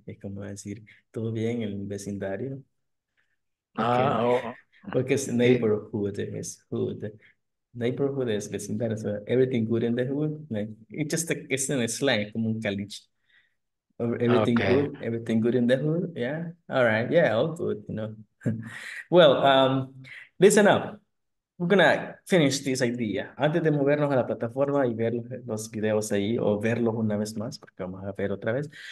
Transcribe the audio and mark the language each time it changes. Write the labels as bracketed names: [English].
[Spanish] Es como decir todo bien en el vecindario. Ah, porque es neighborhood, es hood. [English] Neighborhood is vecindario, so everything good in the hood. Like, it's just a, it's in a slang, [Spanish] como un caliche. [English] Everything okay. Good, everything good in the hood. Yeah, all right, yeah, all good, you know. Well, listen up. We're gonna finish this idea. [Spanish] Antes de movernos a la plataforma y ver los videos ahí o verlos una vez más, porque vamos a ver otra vez.